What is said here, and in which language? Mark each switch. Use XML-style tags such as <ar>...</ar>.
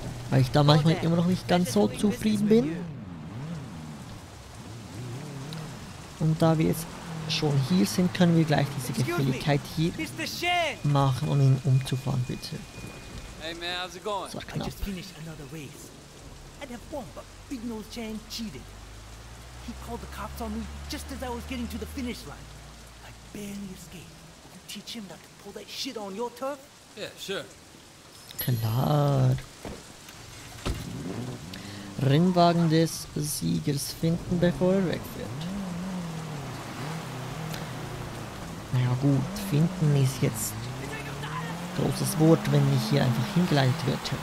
<de>Weil ich da manchmal immer noch nicht ganz so zufrieden bin. Und da wir jetzt schon hier sind, können wir gleich diese Gefälligkeit hier machen und ihn umzufahren, bitte.</de> <en>Hey man, how's it going?</en> <de>So knapp.</de> <en>I just finished another race. I had a bomb, but Big Nose Chan cheated. He called the cops on me just as I was getting to the finish line. I barely escaped. Will you teach him not to pull that shit on your turf? Yeah, sure.</en> <de>Klar. Rennwagen des Siegers finden, bevor er wegfährt. Naja gut, finden ist jetzt großes Wort, wenn ich hier einfach hingeleitet werde.</de>